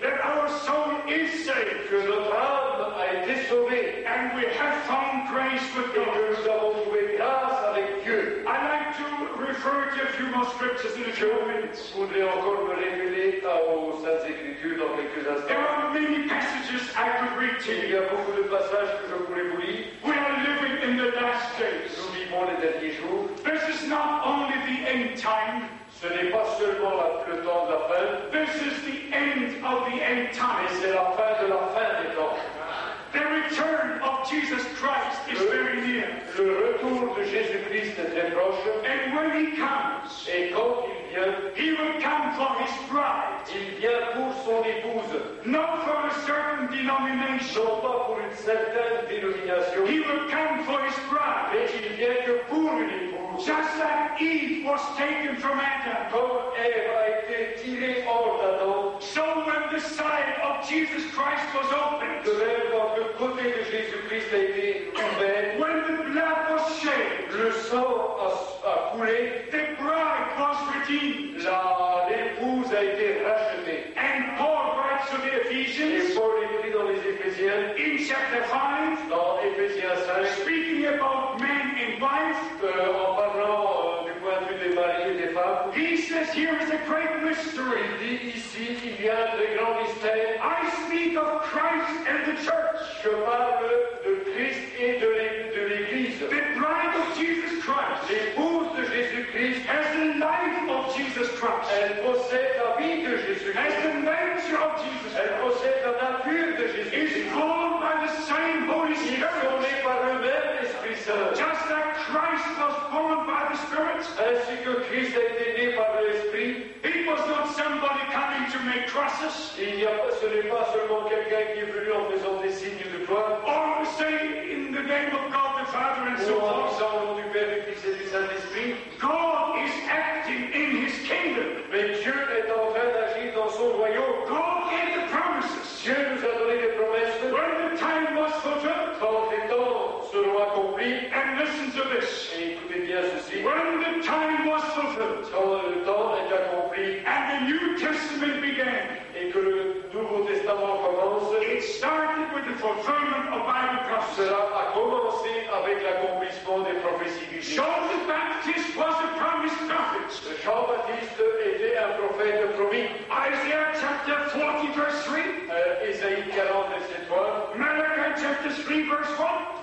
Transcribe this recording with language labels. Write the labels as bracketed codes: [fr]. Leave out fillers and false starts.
[en] That our soul is saved. [fr] Que notre âme a été sauvée. [en] And we have found grace with God. [fr] Et que nous avons trouvé grâce avec Dieu. [en] I'd like to refer to a few more scriptures in a few minutes. [fr] Je voudrais encore me référer aux Saintes Écritures dans quelques instants. [en] There are many passages I could read to you. [fr] Il y a beaucoup de passages que je pourrais vous lire. [en] We are living in the last days. [fr] Nous vivons les derniers jours. [en] This is not only the end time. [fr] Ce n'est pas seulement le temps de la fin. [en] This is the end of the end time. [fr] Mais c'est la fin de la fin des temps. [en] The return of Jesus Christ is very near. [fr] Le retour de Jésus-Christ est très proche. [en] And when he comes, [fr] et quand il vient, [en] he will come for his bride. [fr] Il vient pour son épouse. [en] Not for a certain denomination. [fr] Non pas pour une certaine dénomination. [en] He will come for his bride. [fr] Mais il vient que pour une épouse. [en] Just like Eve was taken from Adam. [fr] Comme Ève a été tirée hors d'Adam. [en] So when the side of Jesus Christ was opened. [fr] De même quand le côté de Jésus-Christ a été ouvert. [en] When the blood was shed. [fr] Le sang a coulé. [en] The bride was redeemed. [fr] L'épouse a été rachetée. [en] And Paul writes to the Ephesians. [fr] Et Paul écrit dans les Éphésiens. [en] In chapter 5. [fr] Dans Éphésiens 5. [en] Speaking about men and wife. [fr] En parlant du point de vue des maris et des femmes. [en] He says here is a great mystery. [fr] Il dit ici qu'il y a de grands mystères. [en] I speak of Christ and the church. [fr] Je parle de Christ et de l'Église. [en] The bride of Jesus Christ. [fr] L'épouse de Jésus-Christ. [en] Has the life of Jesus Christ. [fr] Elle possède la vie de Jésus-Christ. [en] Has the nature of Jesus Christ. [fr] Elle possède la nature de Jésus-Christ. [en] Is formed by the same Holy Spirit. [fr] Ils sont nés par le même Esprit Saint. [en] Just like Christ was born by the Spirit. [fr] Ainsi que Christ a été né par l'Esprit. [en] It was not somebody coming to make crosses. [fr] Ce n'est pas seulement quelqu'un qui est venu en faisant des signes de croix. [en] Or say in the name of God the Father and so forth. [fr] Ou en disant au nom du Père, du Fils et du Saint-Esprit. [en] God is acting in his kingdom. [fr] Mais Dieu est en train d'agir dans son royaume. [en] God gave the promises. [fr] Dieu nous a donné des promesses. [en] When the time was fulfilled. [fr] Quand les temps seront accomplis. [en] And listen to this. [fr] Et écoutez bien ceci. [en] When the time was fulfilled. [fr] Quand le temps est accompli. [en] And the New Testament began. [fr] Et que le Nouveau Testament commence. [en] It started with the fulfillment of Bible prophecy. [fr] Cela a commencé avec l'accomplissement des prophéties du [en] Jean le Baptiste was a promised prophet. [fr] Jean Baptiste était un prophète promis. [en] Isaiah chapter 40 verse 3. [fr] Isaïe 40 verset 3. [en] Malachi chapter 3 verse 1.